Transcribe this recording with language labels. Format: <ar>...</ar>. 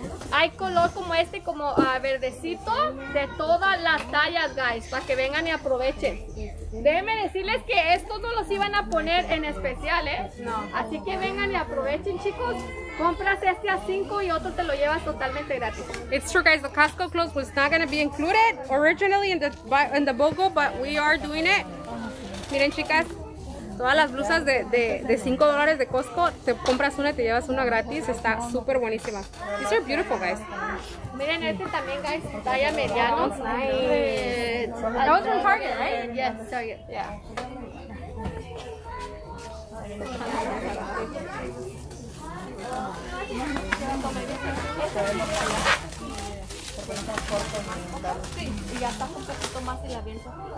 <es>Hay color como este, como verdecito, de todas las tallas, guys, para que vengan y aprovechen. Déjenme decirles que estos no los iban a poner en especial, ¿eh? No. Así que vengan y aprovechen, chicos. Compras este a 5 y otro te lo llevas totalmente gratis.</es> <en>It's true, guys. The Costco clothes was not going to be included originally in the BOGO, but we are doing it.</en> <es>Miren, chicas. Todas las blusas de $5 de Costco, te compras una y te llevas una gratis. Está súper buenísima.</es> <en>These are beautiful, guys.</en> <es>Miren este también, guys. Talla mediano.</es> <en>That was from Target, right? Yes, Target.</en> <es>Yeah. Sí, y ya está un poquito más y la viento.</es>